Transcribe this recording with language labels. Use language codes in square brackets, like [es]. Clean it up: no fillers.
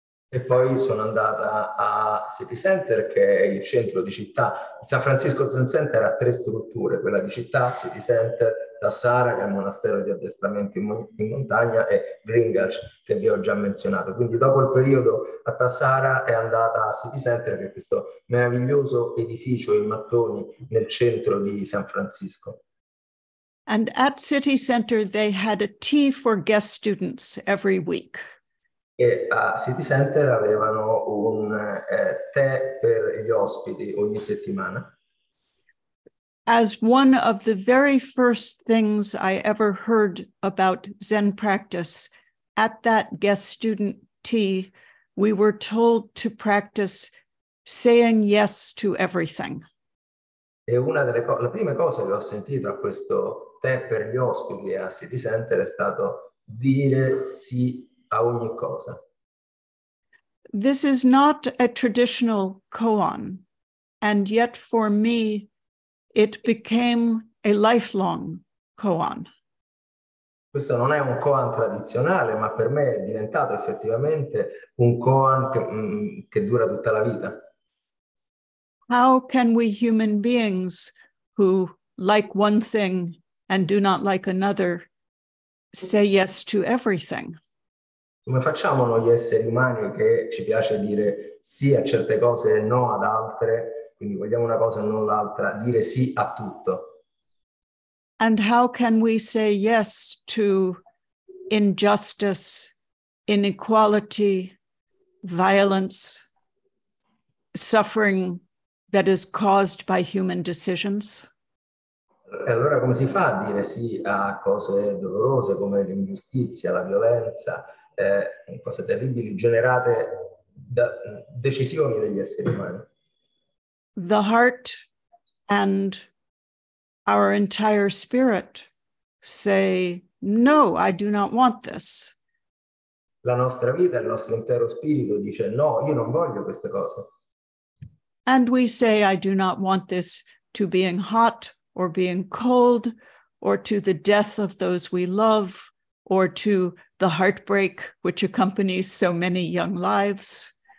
[it] E poi sono andata a City Center, che è il centro di città. San Francisco Zen Center ha tre strutture, quella di città, City Center, Tassara, che è il monastero di addestramento in montagna, e Gringach, che vi ho già menzionato. Quindi dopo il periodo a Tassara è andata a City Center, che è questo meraviglioso edificio in mattoni nel centro di San Francisco. [en] And at City Center they had a tea for guest students every week. [it] E a City Center avevano un tè per gli ospiti ogni settimana. [en] As one of the very first things I ever heard about Zen practice, at that guest student tea, we were told to practice saying yes to everything. [it] E una delle le prime cose che ho sentito a questo tè per gli ospiti a City Center è stato dire sì a ogni cosa. [en] This is not a traditional koan, and yet for me it became a lifelong koan. [it] Questo non è un koan tradizionale, ma per me è diventato effettivamente un koan che dura tutta la vita. [en] How can we human beings who like one thing and do not like another say yes to everything? [it] Come facciamo noi esseri umani che ci piace dire sì a certe cose e no ad altre, quindi vogliamo una cosa e non l'altra, dire sì a tutto? [en] And how can we say yes to injustice, inequality, violence, suffering that is caused by human decisions? [it] E allora come si fa a dire sì a cose dolorose come l'ingiustizia, la violenza, cose terribili generate da decisioni degli esseri umani? [en] The heart and our entire spirit say, no, I do not want this. [it] La nostra vita, il nostro intero spirito dice, no, io non voglio queste cose. [en] And we say, I do not want this to being hot or being cold or to the death of those we love or to the heartbreak which accompanies so many young lives.